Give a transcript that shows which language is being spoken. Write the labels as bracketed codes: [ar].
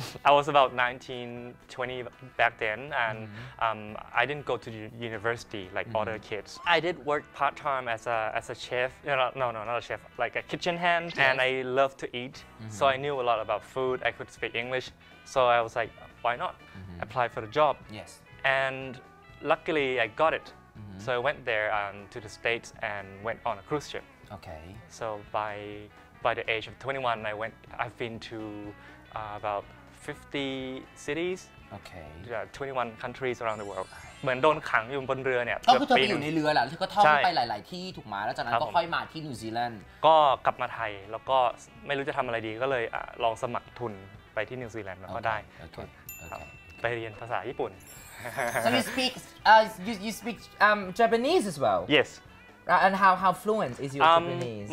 [en] I was about 19 20 back then and I didn't go to university like other kids I did work part time as a chef not a chef like a kitchen hand and I loved to eat so I knew a lot about food I could speak English so I was like why not apply for the job yes and luckily I got it so I went there to the States and went on a cruise ship okay so by the age of 21 I've been to about 50 cities okay yeah, 21 countries around the world [th] เหมือนโดนขังอยู่บนเรือเนี่ย ก็คือเธอไปอยู่ในเรือแหละแล้วเธอก็ท่องไปหลายๆที่ถูกมาแล้วจากนั้นก็ค่อยมาที่นิวซีแลนด์ก็กลับมาไทยแล้วก็ไม่รู้จะทำอะไรดีก็เลยลองสมัครทุนไปที่นิวซีแลนด์แล้วก็ได้ไปเรียนภาษาญี่ปุ่น [en] so you speak Japanese as well yes and how fluent is your Japanese